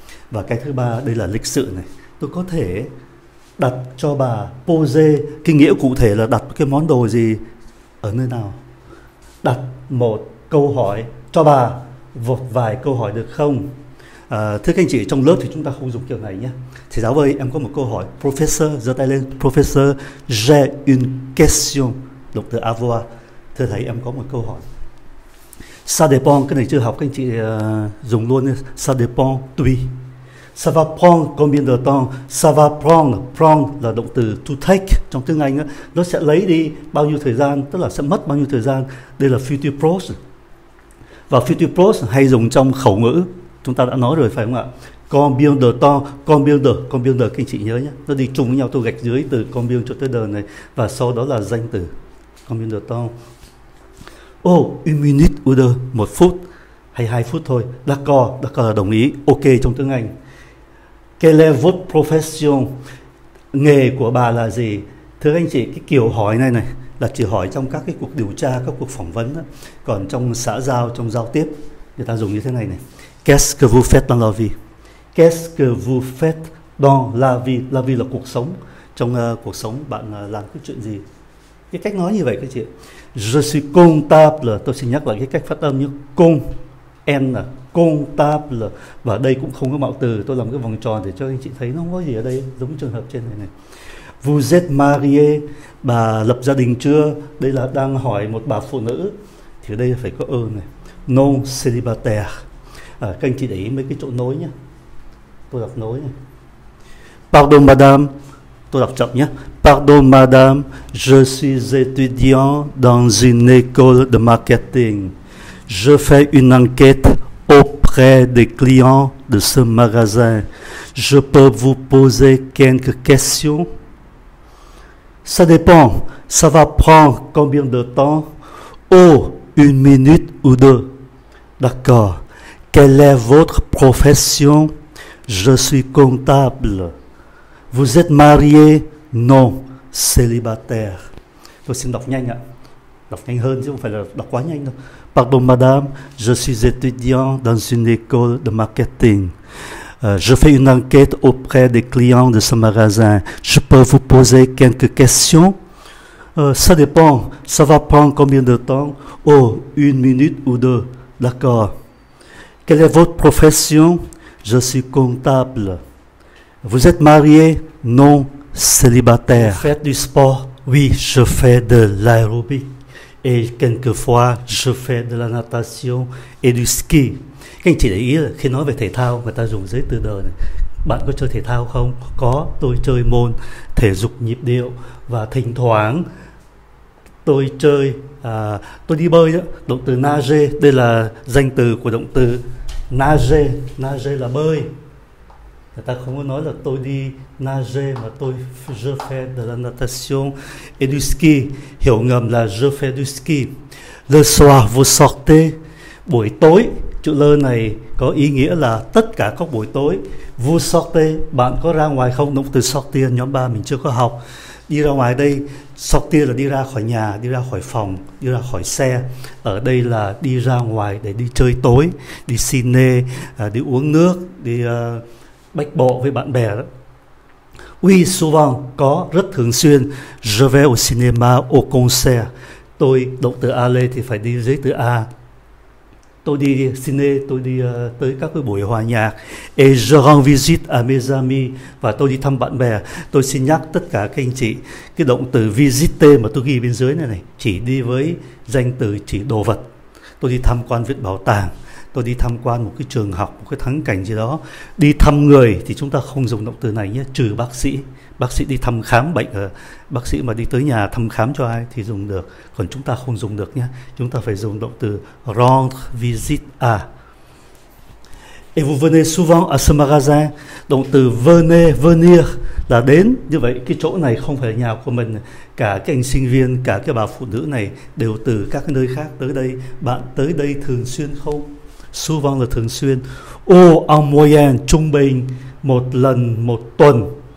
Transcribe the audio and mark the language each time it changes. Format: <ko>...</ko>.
<vi>Và cái thứ ba, đây là lịch sự này. Tôi có thể đặt cho bà pose, cái nghĩa cụ thể là đặt cái món đồ gì ở nơi nào. Đặt một câu hỏi cho bà, một vài câu hỏi được không? Thưa các anh chị, trong lớp thì chúng ta không dùng kiểu này nhé. Thầy giáo ơi, em có một câu hỏi. Professeur, giơ tay lên.</vi> <fr>Professeur, j'ai une question.</fr> <vi>Động từ avoir. Thưa thầy, em có một câu hỏi.</vi> <fr>Ça dépend,</fr> <vi>cái này chưa học, các anh chị dùng luôn.</vi> <fr>Ça dépend,</fr> <vi>tùy.</vi> <fr>Ça va prendre combien de temps? Ça va prendre, prendre</fr> <vi>là động từ</vi> <en>to take</en> <vi>trong tiếng Anh. Nó sẽ lấy đi bao nhiêu thời gian, tức là sẽ mất bao nhiêu thời gian. Đây là future pros. Và future pros hay dùng trong khẩu ngữ. Chúng ta đã nói rồi phải không ạ?</vi> <fr>Combien de temps, combien de,</fr> <vi>combien de, các anh chị nhớ nhé. Nó đi chung với nhau, tôi gạch dưới từ combien cho tới de này. Và sau đó là danh từ.</vi> <fr>Combien de temps. Oh, une minute ou deux,</fr> <vi>một phút. Hay hai phút thôi.</vi> <fr>D'accord, d'accord</fr> <vi>là đồng ý. Ok trong tiếng Anh.</vi> <fr>Quelle est votre profession?</fr> <vi>Nghề của bà là gì? Thưa anh chị, cái kiểu hỏi này này là chỉ hỏi trong các cái cuộc điều tra, các cuộc phỏng vấn đó. Còn trong xã giao, trong giao tiếp, người ta dùng như thế này này.</vi> <fr>Qu'est-ce que vous faites dans la vie? Qu'est-ce que vous faites dans la vie? La vie</fr> <vi>là cuộc sống. Trong cuộc sống bạn làm cái chuyện gì? Cái cách nói như vậy các chị.</vi> <fr>Je suis comptable.</fr> <vi>Tôi xin nhắc lại cái cách phát âm như con, en, comptable. Và đây cũng không có mạo từ. Tôi làm cái vòng tròn để cho anh chị thấy nó không có gì ở đây. Giống trường hợp trên này này.</vi> <fr>Vous êtes marié.</fr> <vi>Bà lập gia đình chưa? Đây là đang hỏi một bà phụ nữ. Thì ở đây phải có ơ này.</vi> <fr>Non célibataire.</fr> <vi>Các anh chị để ý mấy cái chỗ nối nhé. Tôi đọc nối này.</vi> <fr>Pardon madame.</fr> <vi>Tôi đọc chậm nhé.</vi> <fr>Pardon madame, je suis étudiant dans une école de marketing. Je fais une enquête auprès des clients de ce magasin. Je peux vous poser quelques questions? Ça dépend. Ça va prendre combien de temps? Oh, une minute ou deux. D'accord. Quelle est votre profession? Je suis comptable. Vous êtes marié? Non, célibataire.</fr> <vi>Tôi xin đọc nhanh ạ. Đọc nhanh hơn chứ không phải là đọc quá nhanh đâu.</vi> <fr>Pardon madame, je suis étudiant dans une école de marketing. Je fais une enquête auprès des clients de ce magasin. Je peux vous poser quelques questions? Ça dépend, ça va prendre combien de temps? Oh, une minute ou deux, d'accord. Quelle est votre profession? Je suis comptable. Vous êtes marié? Non, Vous célibataire. faites du sport? Oui, je fais de l'aérobic et quelquefois je fais de la natation et du ski.</fr> <vi>Anh chị để ý là khi nói về thể thao, người ta dùng giới từ đời này. Bạn có chơi thể thao không? Có, tôi chơi môn thể dục nhịp điệu và thỉnh thoảng tôi chơi, tôi đi bơi đó. Động từ nage, đây là danh từ của động từ nage. Nage là bơi. Người ta không có nói là tôi đi nage mà tôi</vi> <fr>je fais de la natation et du ski.</fr> <vi>Hiểu ngầm là</vi> <fr>je fais du ski. Le soir, vous sortez.</fr> <vi>Buổi tối. Chữ lơ này có ý nghĩa là tất cả các buổi tối.</vi> <fr>Vous sortez,</fr> <vi>bạn có ra ngoài không? Động từ sortir, nhóm 3 mình chưa có học. Đi ra ngoài đây, sortir là đi ra khỏi nhà, đi ra khỏi phòng, đi ra khỏi xe. Ở đây là đi ra ngoài để đi chơi tối, đi cine, đi uống nước, đi bách bộ với bạn bè đó.</vi> <fr>Oui, souvent,</fr> <vi>có, rất thường xuyên.</vi> <fr>Je vais au cinéma, au concert.</fr> <vi>Tôi, động từ aller thì phải đi dưới từ A. Tôi đi cine, tôi đi tới các cái buổi hòa nhạc.</vi> <fr>Et je rends visite à mes amis.</fr> <vi>Và tôi đi thăm bạn bè. Tôi xin nhắc tất cả các anh chị, cái động từ visiter mà tôi ghi bên dưới này này, chỉ đi với danh từ chỉ đồ vật. Tôi đi tham quan viện bảo tàng, tôi đi tham quan một cái trường học, một cái thắng cảnh gì đó. Đi thăm người thì chúng ta không dùng động từ này nhé, trừ bác sĩ. Bác sĩ đi thăm khám bệnh, bác sĩ mà đi tới nhà thăm khám cho ai thì dùng được, còn chúng ta không dùng được nhé. Chúng ta phải dùng động từ</vi> <fr>rendre visite à. Et vous venez souvent à ce magasin?</fr> <vi>Động từ venez, venir là đến. Như vậy cái chỗ này không phải là nhà của mình. Cả cái anh sinh viên, cả cái bà phụ nữ này đều từ các nơi khác tới đây. Bạn tới đây thường xuyên không? Souvent là thường xuyên.</vi> <fr>Ô, en moyenne,</fr> <vi>trung bình, một lần một tuần.</vi>